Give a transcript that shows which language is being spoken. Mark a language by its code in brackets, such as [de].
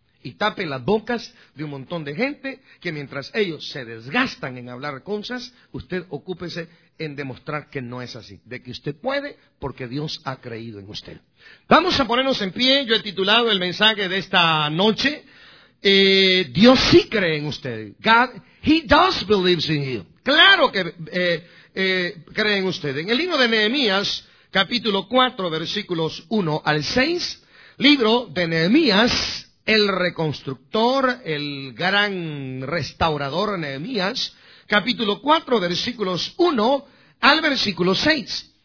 [es] Y tape las bocas de un montón de gente, que mientras ellos se desgastan en hablar cosas, usted ocúpese en demostrar que no es así, de que usted puede, porque Dios ha creído en usted. Vamos a ponernos en pie. Yo he titulado el mensaje de esta noche, Dios sí cree en usted. [en] God, he does believe in you. [es] Claro que cree en usted. En el libro de Nehemías, capítulo 4, versículos 1 al 6, libro de Nehemías, el reconstructor, el gran restaurador Nehemías, capítulo 4, versículos 1 al versículo 6.